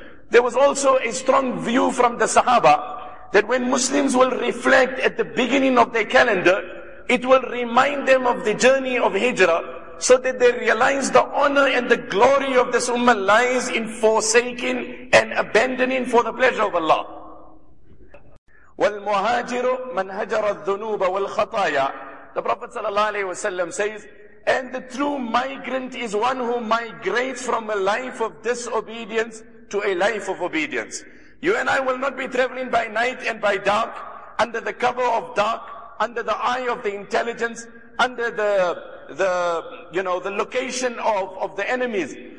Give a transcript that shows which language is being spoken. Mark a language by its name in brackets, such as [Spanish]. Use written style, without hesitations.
[English] There was also a strong view from the Sahaba that when Muslims will reflect at the beginning of their calendar, it will remind them of the journey of Hijrah so that they realize the honor and the glory of this ummah lies in forsaking and abandoning for the pleasure of Allah. [Arabic] والمهاجر من هجر الذنوب والخطايا. [English] The Prophet sallallahu alaihi wasallam says, and the true migrant is one who migrates from a life of disobedience to a life of obedience. You and I will not be traveling by night and by dark, under the cover of dark, under the eye of the intelligence, under the location of the enemies.